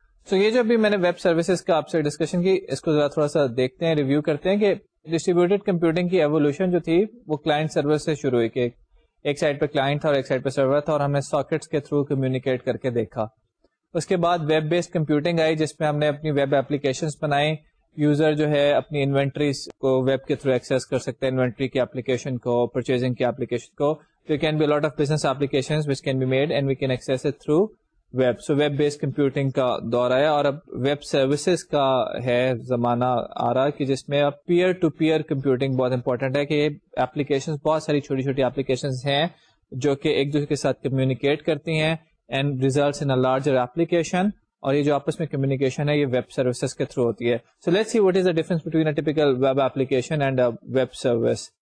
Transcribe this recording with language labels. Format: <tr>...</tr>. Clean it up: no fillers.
<ur>سو یہ جو ابھی میں نے ویب سروسز کا آپ سے ڈسکشن کی اس کو ذرا تھوڑا سا دیکھتے ہیں ریویو کرتے ہیں کہ ڈسٹریبیوٹیڈ کمپیوٹنگ کی ایولیوشن جو تھی وہ کلائنٹ سرور سے شروع ہوئی کہ ایک سائڈ پہ کلائنٹ تھا اور ایک سائڈ پہ سرور تھا اور ہمیں ساکٹس کے تھرو کمیونیکیٹ کر کے دیکھا. اس کے بعد ویب بیسڈ کمپیوٹنگ آئی جس میں ہم نے اپنی ویب اپلیکیشنز بنائی, یوزر جو ہے اپنی انوینٹریز کو ویب کے تھرو ایکسیس کر سکتے ہیں, انوینٹری کی اپلیکیشن کو, پرچیزنگ کی اپلیکیشن کو.</ur> <en>There can be lot of business applications which can be made and we can access it through web.</en> <ur>So web based computing کا دور آیا اور اب ویب سروسز کا ہے زمانہ آ رہا کہ جس میں اب پیئر ٹو پیئر کمپیوٹنگ بہت امپورٹنٹ ہے کہ اپلیکیشن بہت ساری چھوٹی چھوٹی اپلیکیشن ہیں جو کہ ایک دوسرے کے ساتھ کمیونیکیٹ کرتی ہیں</ur> <en>and results in a larger application,</en> <ur>اور یہ جو آپس میں کمیونیکیشن ہے یہ ویب سروسز کے تھرو ہوتی ہے.</ur> <en>So let's see what is the difference between a typical web application and a web service.</en>